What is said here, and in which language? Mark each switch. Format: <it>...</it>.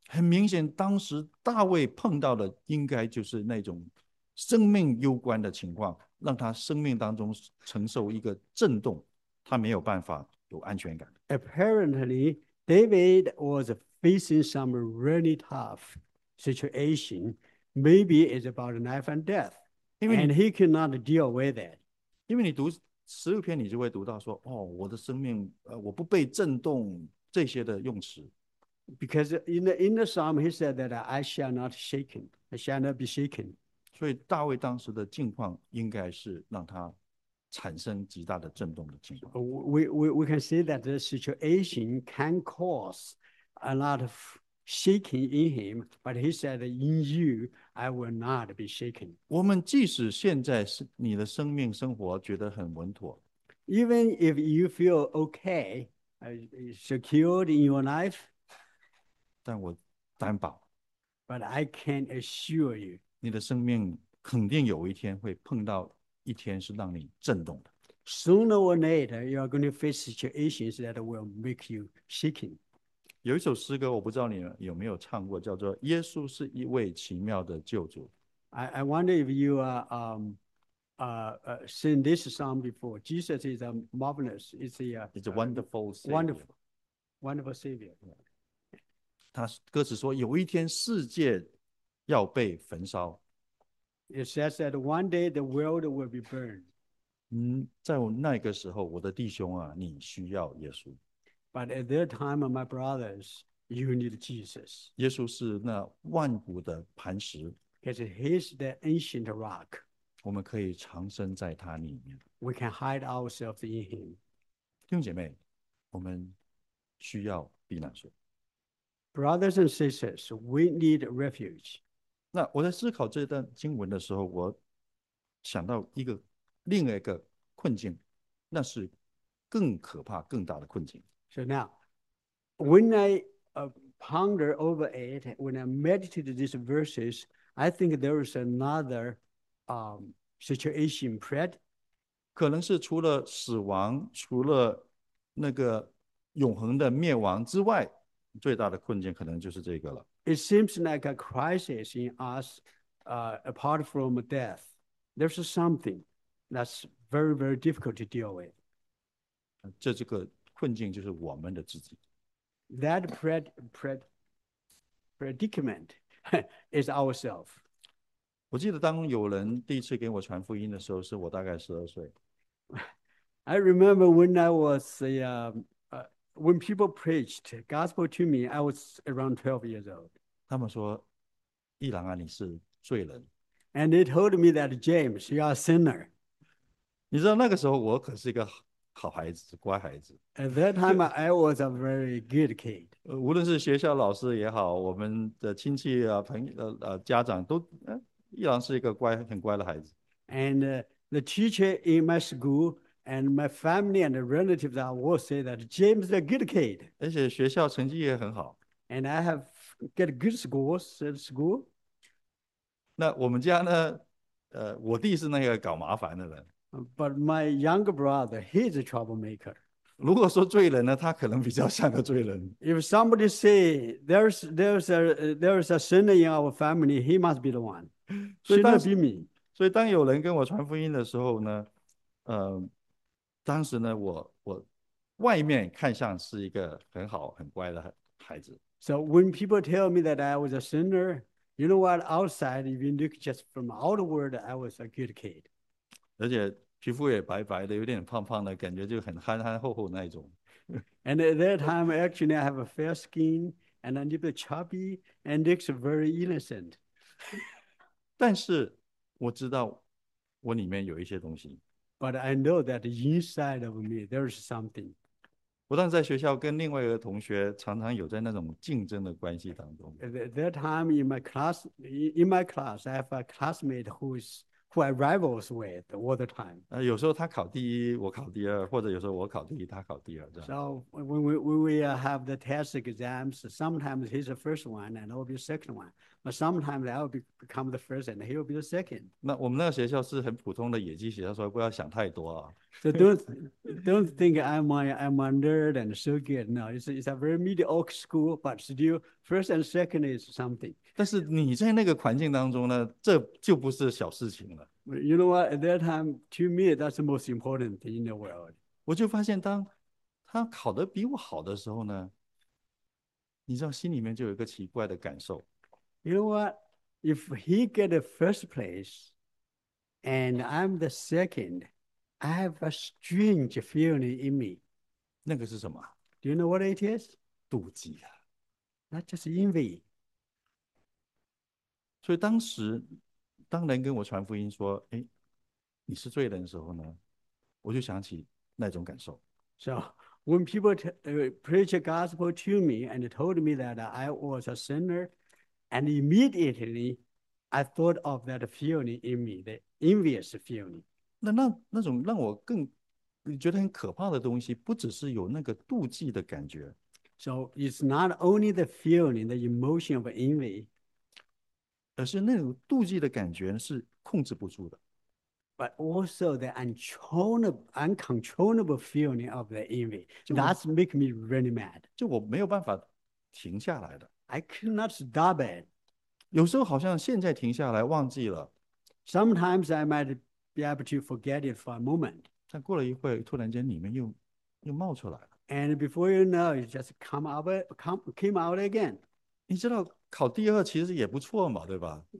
<zh>”很明显，当时大卫碰到的应该就是那种生命攸关的情况，让他生命当中承受一个震动，他没有办法有安全感。</zh> <en>Apparently, David was facing some really tough situation. Maybe it's about life and death, and he could not deal with it.</en> <zh>因为你读16篇，你就会读到说，哦，我的生命，我不被震动这些的用词。</zh> <en>Because in the psalm, he said that I shall not shaken, I shall not be shaken.</en> <zh>所以大卫当时的境况应该是让他产生极大的震动的境况。</zh> <en>We can see that the situation can cause a lot of shaking in him, but he said, "In you, I will not be shaken."</en> <zh>我们即使现在是你的生命生活觉得很稳妥，</zh> <en>Even if you feel okay, secured in your life,</en> <zh>但我担保，</zh> <en>but I can assure you.</en> <zh>你的生命肯定有一天会碰到一天是让你震动的。</zh> <en>Sooner or later, you are going to face situations that will make you shaking.</en> <zh>有一首诗歌，我不知道你有没有唱过，叫做《耶稣是一位奇妙的救主》。</zh> <en>I wonder if you are seen this song before. Jesus is a marvelous, it's a It's a wonderful savior。 wonderful, wonderful savior.</en> <zh>他歌词说：“有一天，世界要被焚烧。</zh> <en>It says that one day the world will be burned.</en> <zh>在我那个时候，我的弟兄啊，你需要耶稣。</zh> <en>But at that time, my brothers, you need Jesus.</en> <zh>耶稣是那万古的磐石，</zh> <en>Because he's the ancient rock.</en> <zh>我们可以藏身在他里面。”</zh> <en>We can hide ourselves in him.</en> <zh>弟兄姐妹，我们需要避难所。</zh> <en>Brothers and sisters, we need refuge.</en> <zh>那我在思考这段经文的时候，我想到另一个困境，那是更可怕、更大的困境。</zh> <en>So now, when I ponder over it, when I meditate these verses, I think there is another situation present.</en> <zh>可能是除了死亡，除了那个永恒的灭亡之外，最大的困境可能就是这个了。</zh> <en>It seems like a crisis in us, apart from death. There's something that's very, very difficult to deal with.</en> <zh>这个困境就是我们的自己。</zh> <en>That predicament is ourself.</en> <zh>我记得当有人第一次给我传福音的时候，是我大概12岁。</zh> <en>I remember when I was when people preached gospel to me, I was around 12 years old.</en> <zh>他们说：“一郎啊，你是罪人。</zh> <en>And they told me that James, you are a sinner.</en> <zh>”你知道那个时候，我可是一个好孩子，乖孩子。</zh> <en>At that time, I was a very good kid.</en> <zh>无论是学校老师也好，我们的亲戚啊、朋友、家长都，一郎是一个乖、很乖的孩子。</zh> <en>And the teacher in my school and my family and relatives I will say that James is a good kid.</en> <zh>而且学校成绩也很好。</zh> <en>And I have got good scores at school.</en> <zh>那我们家呢？我弟是那个搞麻烦的人。</zh> <en>But my younger brother, he's a troublemaker.</en> <zh>如果说罪人呢，他可能比较像个罪人。</zh> <en>If somebody say there's a sinner in our family, he must be the one. Should not be me.</en> <zh>所以当有人跟我传福音的时候呢，当时呢，我外面看像是一个很好很乖的孩子。</zh> <en>So when people tell me that I was a sinner, You know what? Outside, if you look just from outward, I was a good kid.</en> <zh>而且皮肤也白白的，有点胖胖的，感觉就很憨憨厚厚那一种。</zh> <en>And at that time, actually, I have a fair skin, and I'm a bit chubby, and looks very innocent.</en> <zh>但是我知道我里面有一些东西。</zh> <en>But I know that inside of me, there is something.</en> <zh>不但在学校跟另外一个同学常常有在那种竞争的关系当中。</zh> <en>At that time, in my class, I have a classmate who I rivals with all the time.</en> <zh>有时候他考第一，我考第二，或者有时候我考第一，他考第二，这样。</zh> <en>So when we have the test exams, sometimes he's the first one and I'll be the second one. But sometimes I'll become the first and he'll be the second.</en> <zh>那我们那个学校是很普通的野鸡学校，所以不要想太多啊。</zh> <en>So don't think I'm a nerd and so good. No, it's a very mediocre school, but still, first and second is something.</en> <zh>但是你在那个环境当中呢，这就不是小事情了。</zh> <en>You know what? At that time, to me, that's the most important thing in the world.</en> <zh>我就发现，当他考得比我好的时候呢，你知道，心里面就有一个奇怪的感受。</zh> <en>You know what? If he get the first place, and I'm the second, I have a strange feeling in me.</en> <zh>那个是什么？</zh> <en>Do you know what it is?</en> <zh>妒忌啊。</zh> <en>Not just envy.</en> <zh>所以当时。当人跟我传福音说：“哎，你是罪人”的时候呢，我就想起那种感受。</zh> <en>So when people preach a gospel to me and told me that I was a sinner, and immediately I thought of that feeling in me, the envious feeling.</en> <zh>那种让我更觉得很可怕的东西，不只是有那个妒忌的感觉。</zh> <en>So it's not only the feeling, the emotion of envy.</en> <zh>而是那种妒忌的感觉是控制不住的。</zh> <en>But also the uncontrollable feeling of the envy. That's make me really mad.</en> <zh>就我没有办法停下来的。</zh> <en>I cannot stop it.</en> <zh>有时候好像现在停下来忘记了。</zh> <en>Sometimes I might be able to forget it for a moment.</en> <zh>但过了一会突然间里面又冒出来了。</zh> <en>And before you know, it just came out again.</en> <zh>你知道考第二其实也不错嘛，对吧</zh>